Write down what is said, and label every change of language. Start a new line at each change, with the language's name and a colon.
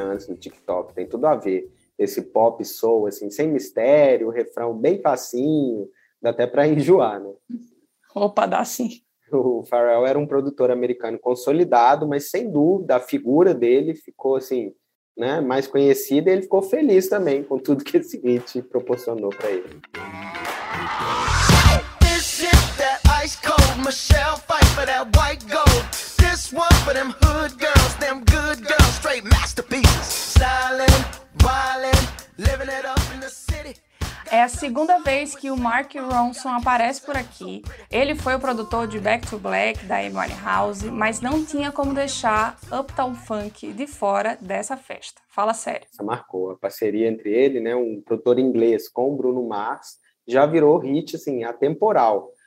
Portuguese: Antes do TikTok, tem tudo a ver. Esse pop soul, assim, sem mistério, o refrão bem facinho, dá até pra enjoar, né? Opa, dá sim. O Pharrell era um produtor americano consolidado, mas sem dúvida, a figura dele ficou, assim, né, mais conhecida, e ele ficou feliz também com tudo que esse hit proporcionou pra ele.
English: Michelle fight for that white gold. This one for them hood girls, them good girls, straight masterpieces. Stylin', wildin', living it up in the city.
Portuguese: É a segunda vez que o Mark Ronson aparece por aqui. Ele foi o produtor de Back to Black, da Amy Winehouse, mas não tinha como deixar Uptown Funk de fora dessa festa. Fala sério. Essa marcou. A parceria entre ele, né, um produtor inglês, com o Bruno Mars, já virou hit, assim, atemporal.